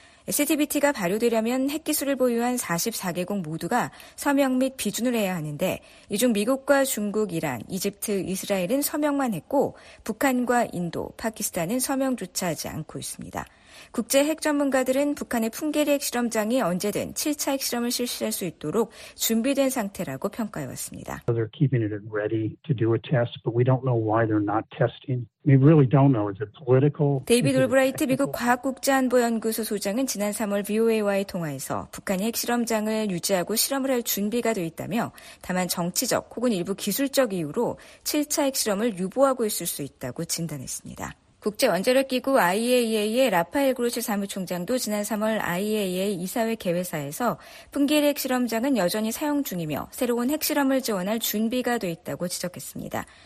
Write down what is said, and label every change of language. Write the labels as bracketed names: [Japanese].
[Korean] CTBT가 발효되려면 핵기술을 보유한 44개국 모두가 서명 및 비준을 해야 하는데 이 중 미국과 중국, 이란, 이집트, 이스라엘은 서명만 했고 북한과 인도, 파키스탄은 서명조차 하지 않고 있습니다. 국제 핵 전문가들은 북한의 풍계리 핵실험장이 언제든 7차 핵실험을 실시할 수 있도록 준비된 상태라고 평가해왔습니다. [English] They're keeping it ready to do a test, but we don't know why they're not testing. We really don't know. Is it political? [Korean] 데이비드 올브라이트 미국 과학국제안보연구소 소장은 지난 3월 VOA와의 통화에서 북한이 핵실험장을 유지하고 실험을 할 준비가 돼 있다며 다만 정치적 혹은 일부 기술적 이유로 7차 핵실험을 유보하고 있을 수 있다고 진단했습니다. 국제원자력기구 IAEA의 라파엘 그로시 사무총장도 지난 3월 IAEA 이사회 개회사에서 풍계리 핵실험장은 여전히 사용 중이며 새로운 핵실험을 지원할 준비가 돼 있다고 지적했습니다.